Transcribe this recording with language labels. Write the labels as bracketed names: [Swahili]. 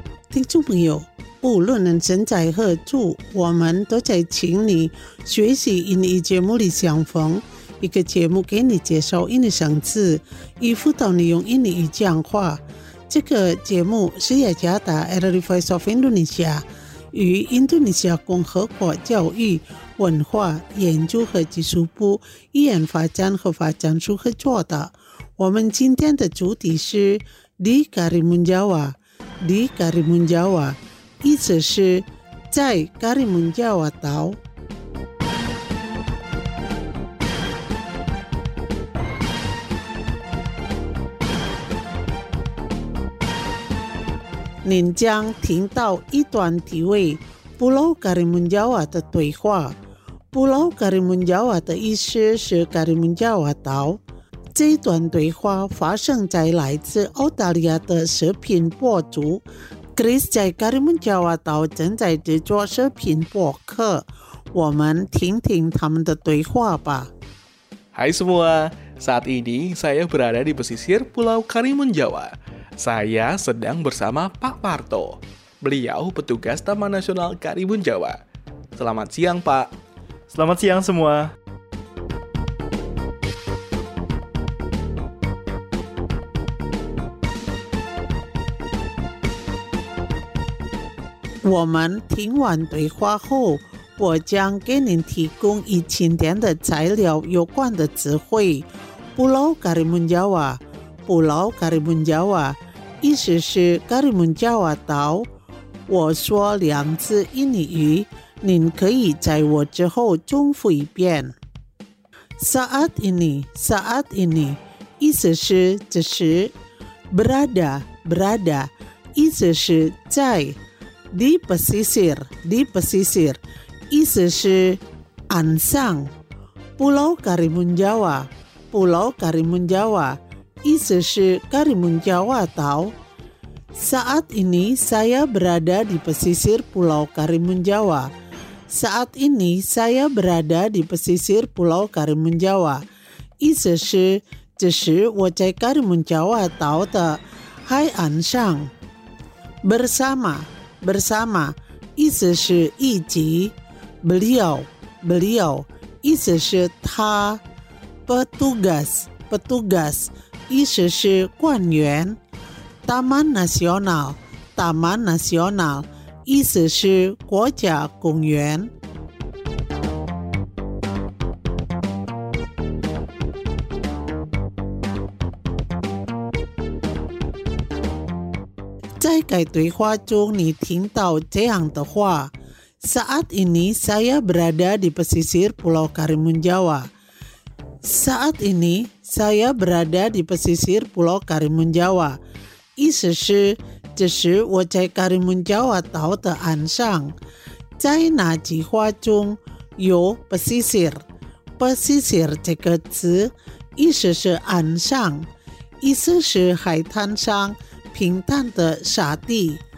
[Chinese] 听众朋友，不论人身在何处，我们都在请你学习印尼节目里相逢，一个节目给你介绍印尼生字，以辅导你用印尼语讲话。这个节目是雅加达 Early Voice of Indonesia与印度尼西亚共和国教育文化研究和技术部语言发展和发展处合作的。我们今天的主题是 Di Karimun Jawa， Di Karimun Jawa 意思是在 Karimun Jawa 岛。您将听到一段题为 Pulau Karimun Jawa 的对话。 Pulau Karimun Jawa 的意思是 Karimun Jawa 岛。这段对话发生在来自澳大利亚的视频博主 Chris 在 Karimun Jawa 岛正在制作视频博客，我们听听他们的对话吧。 [Indonesian] Hai semua, saat ini saya berada di pesisir Pulau Karimun Jawa。 Saya sedang bersama Pak Parto. Beliau petugas Taman Nasional Karimun Jawa. Selamat siang, Pak. Selamat siang semua. [Chinese] Kita 听完对话后，我将给您提供以前点的材料有关的词汇。 [Indonesian] Pulau Karimun Jawa, Pulau Karimun Jawa. [Chinese] 意思是 Karimun Jawa 岛。我说两字印尼语，您可以在我之后重复一遍。 Saat ini, saat ini 意思是这时。 Berada, berada 意思是在。 Di pesisir, di pesisir 意思是岸上。 Pulau Karimun Jawa, Pulau Karimun Jawa 意思是 Karimun Jawa 岛。 [Indonesian] Saat ini saya berada di pesisir Pulau Karimun Jawa. Saat ini saya berada di pesisir Pulau Karimun Jawa. [Chinese] 意思是，这时我在 Karimun Jawa 岛的海岸上。 Bersama, bersama, 意思是一起。 Beliau, beliau, 意思是他。 Petugas, petugas, 意思是官员。 Taman Nasional, Taman Nasional, 意思是国家公园。在该对话中，你听到这样的话 ： [Indonesian] Saat ini saya berada di pesisir Pulau Karimun Jawa. Saat ini saya berada di pesisir Pulau Karimun Jawa. [Chinese] 意思是，这时我在卡里蒙加瓦岛的岸上。在哪句话中有 pesisir？ pesisir 这个词意思是岸上，意思是海滩上平坦的沙地。